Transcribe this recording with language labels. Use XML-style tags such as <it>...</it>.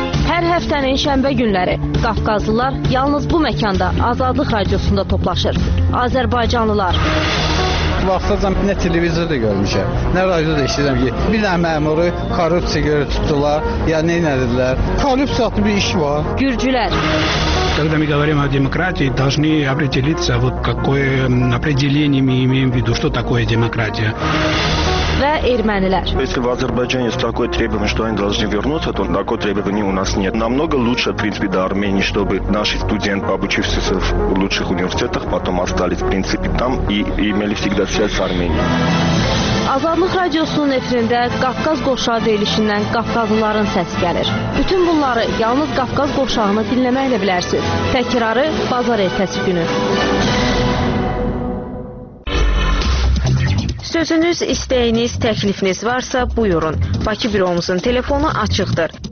<az>Hər həftənin şənbə günləri Qafqazlılar yalnız bu məkanda Azadlıq Radiosunda toplaşır. Azərbaycanlılar. Vaxtacan nə televizorda görmüşəm, nə radioda işləyirəm ki, bir dənə məmuru korrupsiya görə tutdular, ya nə elədilər? Korrupsiya adlı bir iş var. Gürcülər.</az> <ru>Когда мы говорим о демократии, должны определиться, вот какое определение мы имеем в виду, что такое демократия.</ru> <az>Və ermənilər.</az> <ru>Если в Азербайджане есть такое требование, что они должны вернуться, то такое требование у нас нет. Намного лучше, в принципе, до Армении, чтобы наши студенты, обучившиеся в лучших университетах, потом остались, в принципе, там и имели всегда связь с Арменией.</ru> <az>Azadlıq Radiosunun efirində Qafqaz Qovşağı verilişindən Qafqazlıların səsi gəlir. Bütün bunları yalnız Qafqaz Qovşağını dinləməklə bilərsiniz. Təkrarı bazar ertəsi günü. Sözünüz, istəyiniz, təklifiniz varsa buyurun. Bakı büromuzun telefonu açıqdır.</az>